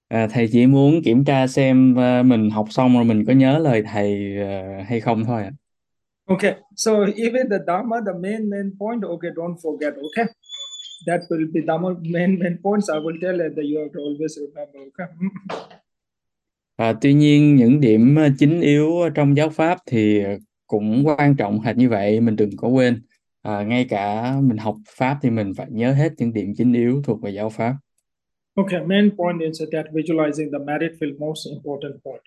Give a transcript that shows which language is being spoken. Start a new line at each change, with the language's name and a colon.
Vietnamese: Thầy chỉ muốn kiểm tra xem mình học xong rồi mình có nhớ lời thầy hay không thôi ạ.
English: Okay. So even the Dhamma, the main point, okay, don't forget. Okay. That will be Dhamma main points. I will tell you that you have to always remember. Okay.
Vietnamese: Tuy nhiên những điểm chính yếu trong giáo pháp thì cũng quan trọng hệt như vậy, mình đừng có quên. Ngay cả mình học pháp thì mình phải nhớ hết những điểm chính yếu thuộc về giáo pháp.
English: Okay, main point is that visualizing the merit field most important point.